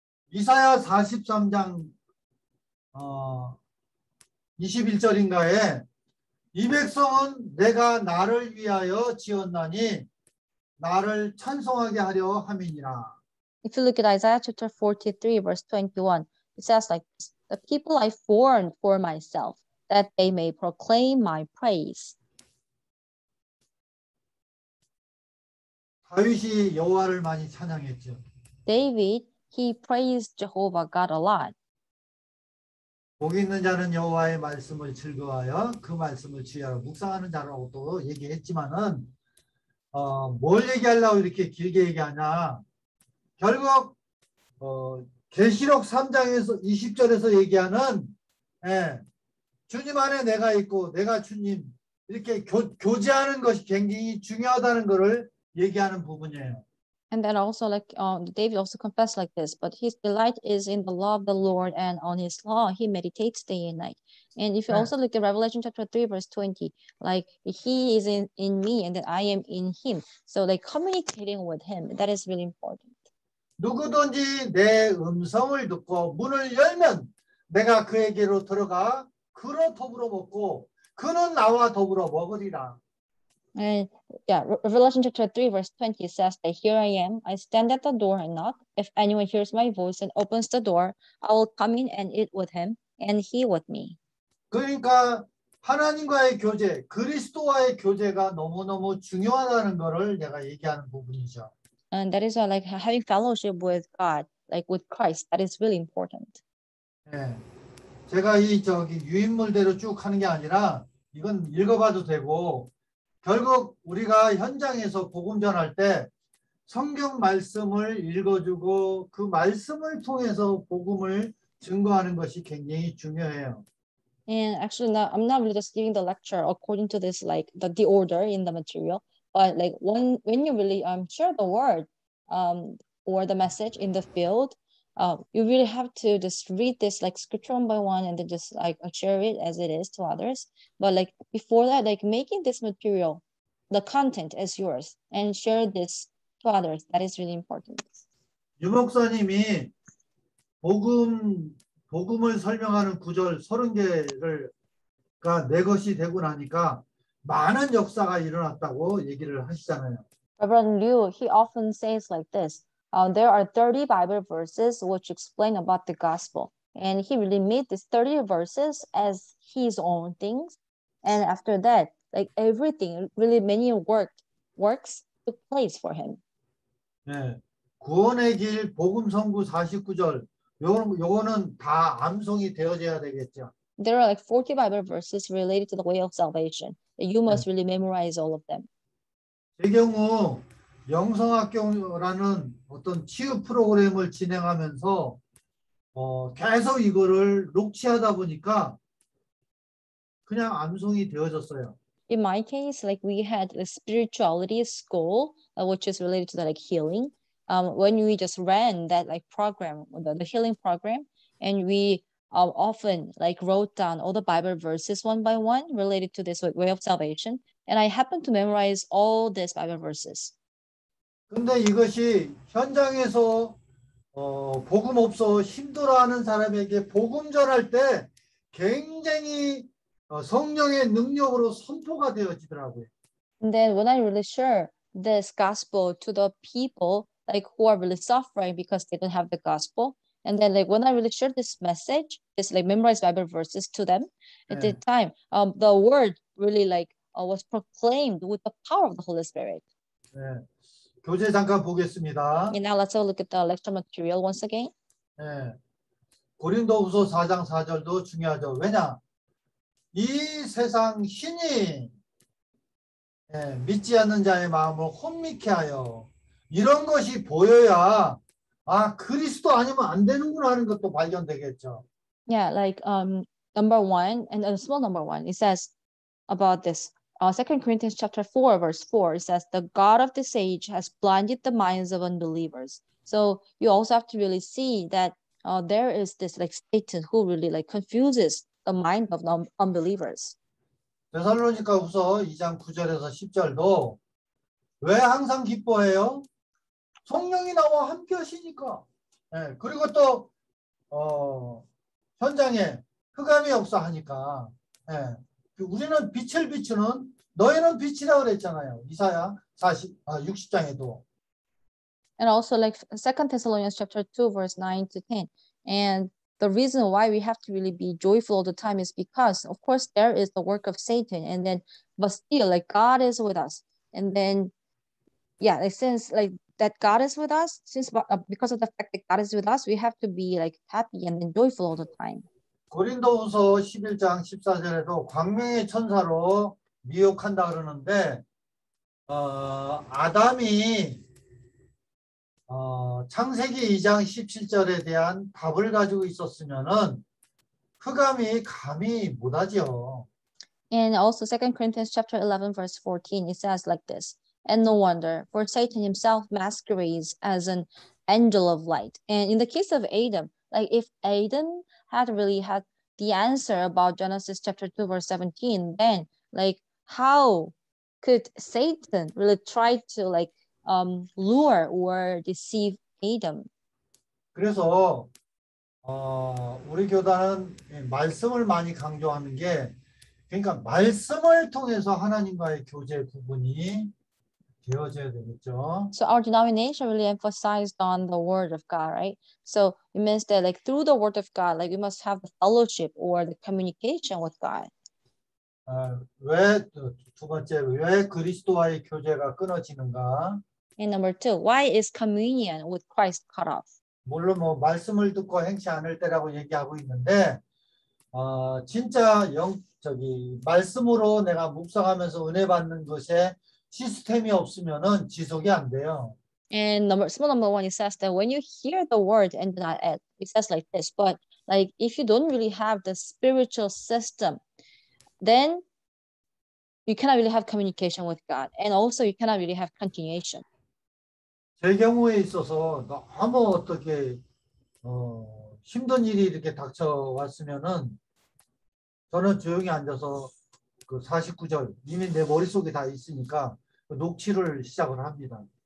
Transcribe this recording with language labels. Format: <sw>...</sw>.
<ko>이사야 43장 21절인가에 이 백성은 내가 나를 위하여 지었나니 나를 찬송하게 하려 함이니라.</ko> <en>If you look at Isaiah chapter 43 verse 21, it says like the people I formed for myself that they may proclaim my praise.</en> <ko>다윗이 여호와를 많이 찬양했죠.</ko> <en>David He praised Jehovah God a lot.</en> <ko>복 있는 자는 여호와의 말씀을 즐거워하여 그 말씀을 주의하여 묵상하는 자라고 또 얘기했지만은 뭘 얘기하려고 이렇게 길게 얘기하냐? 결국 계시록 3장에서 20절에서 얘기하는 주님 안에 내가 있고 내가 주님 이렇게 교제하는 것이 굉장히 중요하다는 것을 얘기하는 부분이에요.</ko> <en>And then also like David also confessed like this, but his delight is in the law of the Lord and on his law, he meditates day and night. And if you also look at Revelation chapter 3, verse 20, like he is in me and that I am in him. So like communicating with him, that is really important.</en> <ko>누구든지 내 음성을 듣고 문을 열면 내가 그에게로 들어가 그로 더불어 먹고 그는 나와 더불어 먹으리라.</ko> <en>And yeah, Revelation chapter 3 verse 20 says that here I am, I stand at the door and knock. If anyone hears my voice and opens the door, I will come in and eat with him and he with me.</en> <ko>그러니까 하나님과의 교제, 그리스도와의 교제가 너무너무 중요하다는 것을 내가 얘기하는 부분이죠.</ko> <en>And that is why like having fellowship with God, like with Christ, that is really important.</en> <ko>네. 제가 이 저기 유인물대로 쭉 하는 게 아니라 이건 읽어봐도 되고 결국 우리가 현장에서 복음 전할 때 성경 말씀을 읽어주고 그 말씀을 통해서 복음을 증거하는 것이 굉장히 중요해요.</ko> <en>And actually, I'm not really just giving the lecture according to this like the order in the material, but like when you really share the word or the message in the field, you really have to just read this like scripture one by one and then just like share it as it is to others. But like before that, like making this material, the content as yours and share this to others, that is really important.</en> <ko>유 목사님이 복음을 설명하는 구절 30개가 내 것이 되고 나니까 많은 역사가 일어났다고 얘기를 하시잖아요.</ko> <en>Reverend Liu, he often says like this, there are 30 Bible verses which explain about the gospel. And he really made these 30 verses as his own things. And after that, like everything, really many works took place for him.</en> <ko>네. 구원의 길, 복음 선구 49절. 요거는 다 암송이 되어져야 되겠죠.</ko> <en>There are like 40 Bible verses related to the way of salvation. You must really memorize all of them.</en> <ko>제 경우 영성학교라는 어떤 치유 프로그램을 진행하면서 계속 이거를 녹취하다 보니까 그냥 암송이 되어졌어요.</ko> <en>In my case, like we had a spirituality school, which is related to the, like healing. When we just ran that like program, the healing program, and we often like wrote down all the Bible verses one by one related to this way of salvation, and I happened to memorize all these Bible verses.</en> <ko>근데 이것이 현장에서 복음 없어 힘들어하는 사람에게 복음 전할 때 굉장히 성령의 능력으로 선포가 되어지더라고요.</ko> <en>And then when I really share this gospel to the people like who are really suffering because they don't have the gospel, and then like when I really share this message, this like memorized Bible verses to them at the time, the word really like was proclaimed with the power of the Holy Spirit.</en> <ko>교재 잠깐 보겠습니다.</ko> <en>And now let's have a look at the lecture material once again.</en> <ko>네. 고린도후서 4장 4절도 중요하죠. 왜냐? 이 세상 신이 믿지 않는 자의 마음을 혼미케 하여 이런 것이 보여야 아 그리스도 아니면 안 되는구나 하는 것도 발견되겠죠.</ko> <en>Yeah, like number one and a small number one. It says about this. 2 Corinthians chapter 4, verse 4, it says, the God of this age has blinded the minds of unbelievers. So you also have to really see that there is this like Satan who really like confuses the mind of unbelievers.</en> <ko>데살로니가후서 2장 9절에서 10절도 왜 항상 기뻐해요? 성령이 나와 함께 하시니까. 네, 그리고 또 현장에 흑암이 없어 하니까. 네. 우리는 빛을 비추는 너희는 빛이라 그랬잖아요. 이사야 60장에도.</ko> <en>And also like 2 Thessalonians chapter 2 verse 9 to 10. And the reason why we have to really be joyful all the time is because of course there is the work of Satan, and then but still like God is with us. And then yeah, like, since like that God is with us, since because of the fact that God is with us, we have to be like happy and then joyful all the time.</en> <ko>고린도후서 11장 14절에도 광명의 천사로 미혹한다 그러는데 아담이 창세기 2장 17절에 대한 답을 가지고 있었으면은 흑암이 감히 못 하죠.</ko> <en>And also 2 Corinthians chapter 11 verse 14 it says like this. And no wonder, for Satan himself masquerades as an angel of light. And in the case of Adam, like if Adam had really had the answer about Genesis chapter 2 verse 17, then like how could Satan really try to like lure or deceive Adam?</en> <ko>그래서 우리 교단은 말씀을 많이 강조하는 게 그러니까 말씀을 통해서 하나님과의 교제 부분이 되어져야 되겠죠.</ko> <en>So our denomination really emphasized on the word of God, right? So it means that like through the word of God, like we must have the fellowship or the communication with God.</en> <ko>왜두 번째 왜 그리스도와의 교제가 끊어지는가?</ko> <en>And number two, why is communion with Christ cut off?</en> <ko>물론 뭐 말씀을 듣고 행치 않을 때라고 얘기하고 있는데 진짜 영적이 말씀으로 내가 묵상하면서 은혜 받는 것에 시스템이 없으면은 지속이 안 돼요.</ko> <en>And number one, it says that when you hear the word and not act, it says like this. But like if you don't really have the spiritual system, then you cannot really have communication with God, and also you cannot really have continuation.</en> <ko>제 경우에 있어서 너무 어떻게 힘든 일이 이렇게 닥쳐왔으면은 저는 조용히 앉아서 그 49절 이미 내 머릿속에 다 있으니까 녹취를 시작을 합니다.</ko>